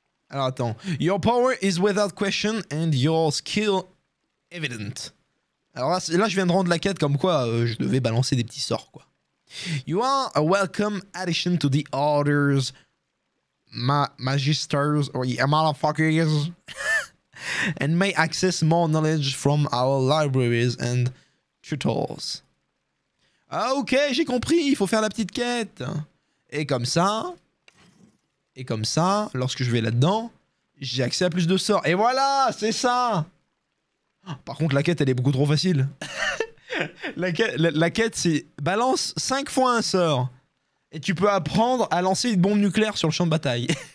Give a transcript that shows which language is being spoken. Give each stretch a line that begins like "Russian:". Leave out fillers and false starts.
French: Alors attends,
English: your power is without question and your skill evident.
French: Alors là je viens de rendre la quête comme quoi je devais balancer des petits sorts, quoi.
English: You are a welcome addition to the orders, magisters, or yeah, motherfuckers, and may access more knowledge from our libraries and tutors.
French: Ok, j'ai compris, il faut faire la petite quête. Et comme ça, lorsque je vais là-dedans, j'ai accès à plus de sorts. Et voilà, c'est ça. Par contre, la quête, elle est beaucoup trop facile. La quête, c'est balance 5 fois un sort et tu peux apprendre à lancer une bombe nucléaire sur le champ de bataille.